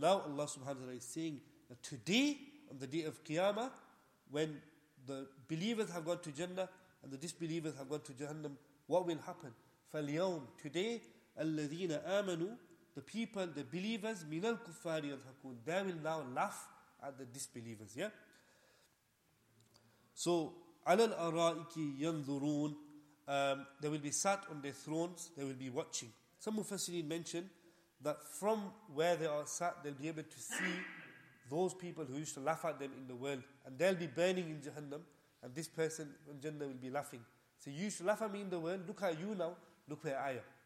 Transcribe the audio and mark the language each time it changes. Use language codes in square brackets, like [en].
[en] Now Allah subhanahu wa ta'ala is saying that today, on the day of Qiyamah, when the believers have gone to Jannah and the disbelievers have gone to Jahannam, what will happen? [ar] فَالْيَوْمْ. [en] Today, [ar] الَّذِينَ آمَنُوا, [en] the people, the believers, [ar] مِنَ الْكُفَّارِ يَضْحَكُونَ, [en] they will now laugh at the disbelievers. Yeah? [ar] So, عَلَى الْأَرَائِكِ يَنْظُرُونَ. [en] They will be sat on their thrones, they will be watching. Some Mufassirin mention that from where they are sat, they'll be able to see those people who used to laugh at them in the world, and they'll be burning in Jahannam, and this person in Jannah will be laughing. So you used to laugh at me in the world, look at you now, look where I am.